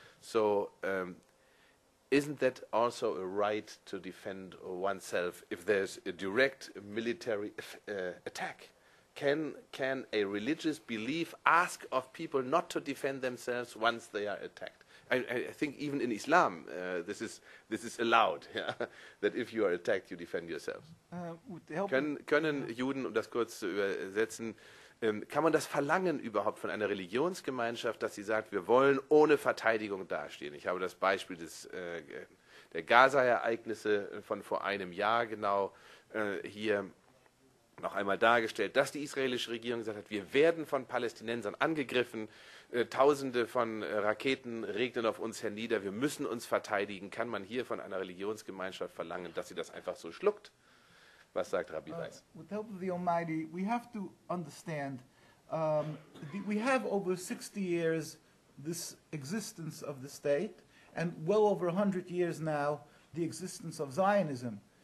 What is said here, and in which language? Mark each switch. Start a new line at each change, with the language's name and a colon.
English: So isn't that also a right to defend oneself if there's a direct military attack? Can a religious belief ask of people not to defend themselves once they are attacked? I think even in Islam, this is allowed, yeah? That if you are attacked, you defend yourselves.
German: Können Juden, um das kurz zu übersetzen, kann man das verlangen überhaupt von einer Religionsgemeinschaft, dass sie sagt, wir wollen ohne Verteidigung dastehen? Ich habe das Beispiel der Gaza-Ereignisse von vor einem Jahr genau hier noch einmal dargestellt, dass die israelische Regierung gesagt hat, wir werden von Palästinensern angegriffen, Tausende von Raketen regnen auf uns hernieder, wir müssen uns verteidigen. Kann man hier von einer Religionsgemeinschaft verlangen, dass sie das einfach so schluckt? Was sagt Rabbi Weiss?
English: With the help of the Almighty, we have to understand, we have over 60 years this existence of the state, and well over 100 years now the existence of Zionism.